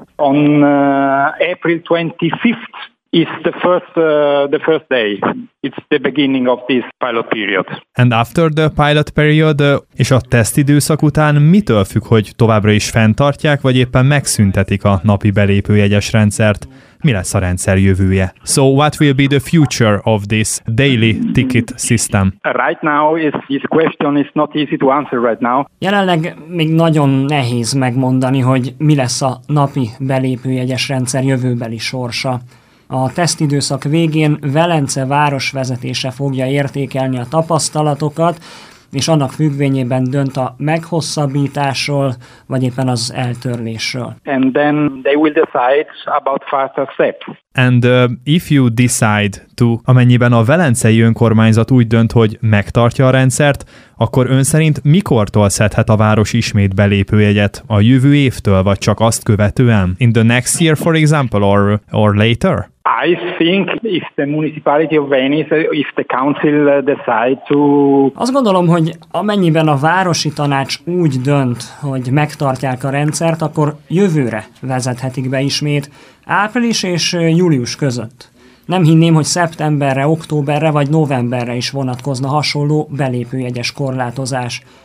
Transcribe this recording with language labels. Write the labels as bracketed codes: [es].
[en] On April 25th is the first day. It's the beginning of this pilot period. And after the pilot period, [hu] és a teszt időszak után mitől függ, hogy továbbra is fenntartják, vagy éppen megszüntetik a napi belépőjegyes rendszert? Mi lesz a rendszer jövője? [en] So what will be the future of this daily ticket system? Right now this question is not easy to answer right now. [hu] Jelenleg még nagyon nehéz megmondani, hogy mi lesz a napi belépőjegyes rendszer jövőbeli sorsa. A tesztidőszak végén Velence városvezetése fogja értékelni a tapasztalatokat, és annak függvényében dönt a meghosszabbításról, vagy éppen az eltörlésről. [en] And then they will decide about faster steps. And if you decide to, [hu] amennyiben a velencei önkormányzat úgy dönt, hogy megtartja a rendszert, akkor ön szerint mikortól szedhet a város ismét belépőjegyet? A jövő évtől, vagy csak azt követően? [en] In the next year, for example, or later? I think if the municipality of Venice, if the council decide to... [hu] Azt gondolom, hogy amennyiben a városi tanács úgy dönt, hogy megtartják a rendszert, akkor jövőre vezethetik be ismét, április és július között. Nem hinném, hogy szeptemberre, októberre vagy novemberre is vonatkozna hasonló belépőjegyes korlátozás.